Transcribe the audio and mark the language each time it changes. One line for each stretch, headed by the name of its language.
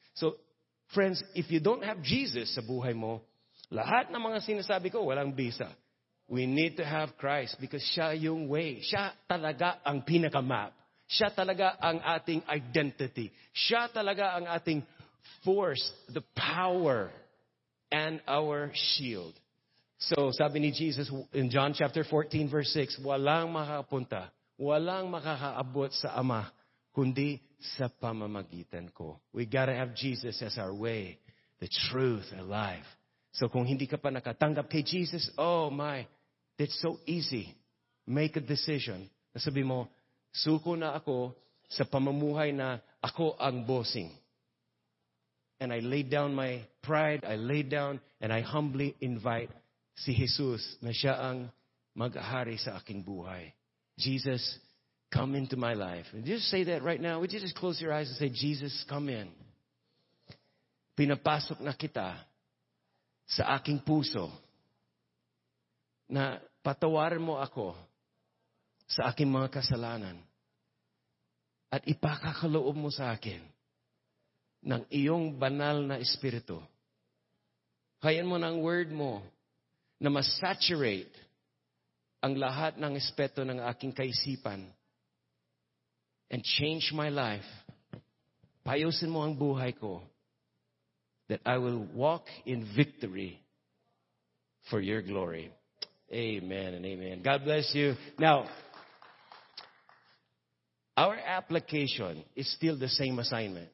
English: So, friends, if you don't have Jesus
Filipino: sa buhay mo, lahat ng mga sinasabi ko, walang bisa.
English: We need to have Christ because
Filipino: siya yung
English: way.
Filipino: Siya talaga ang pinaka-map. Siya talaga ang ating identity. Siya talaga ang ating force,
English: the power, and our shield.
Filipino: So, sabi ni Jesus in John chapter 14, verse 6, walang makakapunta, walang makakaabot sa Ama, kundi sa pamamagitan ko.
English: We gotta have Jesus as our way, the truth, the life.
Filipino: So, kung hindi ka pa nakatanggap kay Jesus,
English: oh my, that's so easy. Make a decision.
Filipino: Sabi mo, suko na ako sa pamamuhay na ako ang bossing.
English: And I laid down my pride, I laid down, and I humbly invite si Jesus
Filipino: na siya ang maghari sa aking buhay.
English: Jesus, come into my life. Would you just say that right now? Would you just close your eyes and say, Jesus, come in.
Filipino: Pinapasok na kita sa aking puso na patawarin mo ako sa aking mga kasalanan at ipakakaloob mo sa akin ng iyong banal na espiritu. Kayan mo ng word mo na masaturate ang lahat ng espeto ng aking kaisipan
English: and change my life.
Filipino: Payusin mo ang buhay ko
English: that I will walk in victory for your glory. Amen and amen. God bless you. Now, our application is still the same assignment.